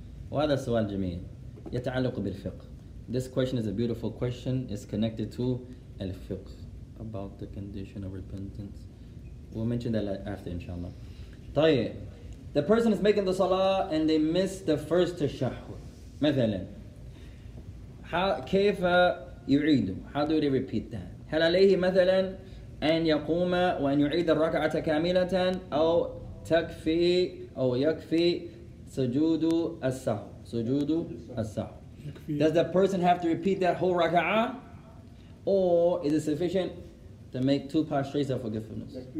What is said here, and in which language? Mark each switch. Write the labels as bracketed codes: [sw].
[ar] وهذا سؤال جميل يتعلق بالفقه. [en] This question is a beautiful question. It's connected to الفقه about the condition of repentance. We'll mention that after, inshallah. [ar] طيب, [en] the person is making the salah and they miss the first tashahhud. [ar] مثلاً. كيف يعيد؟ [en] How do they repeat that? [ar] هل عليه مثلاً أن يقوم وأن يعيد الركعة كاملة أو تكفي أو يكفي سجود السهو؟ سجود السهو. [en] Does the person have to repeat that whole raka'a, or is it sufficient to make two prostrates of forgiveness?